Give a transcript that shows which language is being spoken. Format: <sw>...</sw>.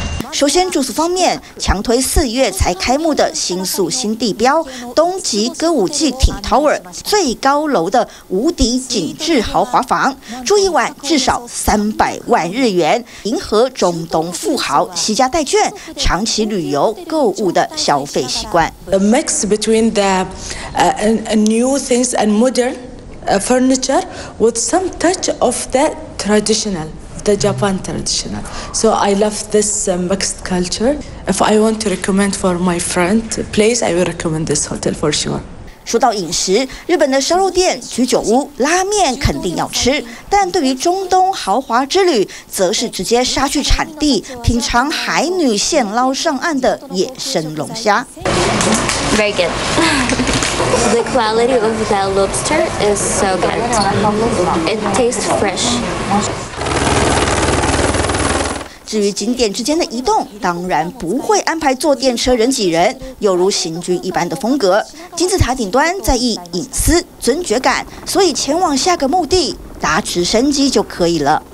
<zh>首先，住宿方面，强推4月才开幕的新宿新地标东极歌舞伎町 Tower 最高楼的无敌紧致豪华房，住一晚至少300万日元，迎合中东富豪携家带眷长期旅游购物的消费习惯。</zh> <en>The mix between the new things and modern furniture with some touch of the traditional. The Japan traditional. So I love this mixed culture. If I want to recommend for my friend place, I will recommend this hotel for sure.</en> <zh>说到饮食，日本的烧肉店、居酒屋、拉面肯定要吃，但对于中东豪华之旅，则是直接杀去产地，品尝海女现捞上岸的野生龙虾。</zh> <en>Very good. The quality of the lobster is so good. It tastes fresh.</en> <zh>至于景点之间的移动，当然不会安排坐电车人挤人，又如行军一般的风格。金字塔顶端在意隐私、尊爵感，所以前往下个目的搭直升机就可以了。</zh>